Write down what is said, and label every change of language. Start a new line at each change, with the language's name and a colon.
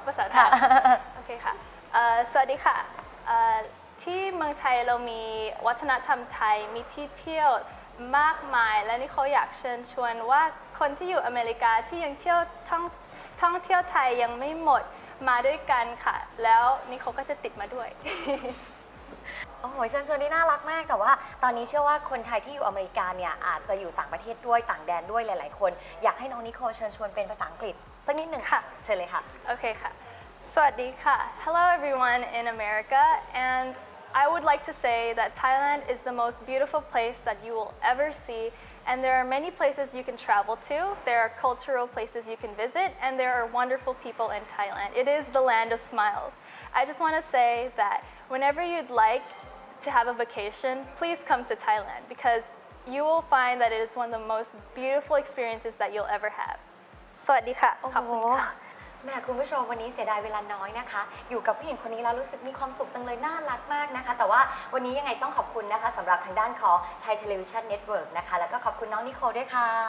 Thai: ภาษาไทยโอเคค่ะสวัสดีค่ะที่เมืองไทยเรามีวัฒนธรรมไทยมีที่เที่ยวมากมายและนิโคอยากเชิญชวนว่าคนที่อยู่อเมริกาที่ยังเที่ยวท่องเที่ยวไทยยังไม่หมดมาด้วยกันค่ะแล้วนี่เขาก็จะติดมาด้วย โอ้โหเชิญชวนนี่น่ารักมากแต่ว่าตอนนี้เชื่อว่าคนไทยที่อยู่อเมริกาเนี่ยอาจจะอยู่ต่างประเทศด้วยต่างแดนด้วยหลายๆคนอยากให้น้องนิโคเชิญชวนเป็นภาษาอังกฤษสักนิดหนึ่ง ค่ะ เชิญเลยค่ะ โอเคค่ะสวัสดีค่ะ
English: Hello everyone in America and I would like to say that Thailand is the most beautiful place that you will ever seeAnd there are many places you can travel to. There are cultural places you can visit, and there are wonderful people in Thailand. It is the land of smiles. I just want to say that whenever you'd like to have a vacation, please come to Thailand because you will find that it is one of the most beautiful experiences that you'll ever have.
Thai: สวัสดีค่ะ ขอบคุณค่ะ แม่คุณผู้ชมวันนี้เสียดายเวลาน้อยนะคะอยู่กับผู้หญิงคนนี้แล้วรู้สึกมีความสุขจังเลยน่ารักมากนะคะแต่ว่าวันนี้ยังไงต้องขอบคุณนะคะสำหรับทางด้านของไทยเทเลวิชั่นเน็ตเวิร์กนะคะแล้วก็ขอบคุณน้องนิโคด้วยค่ะ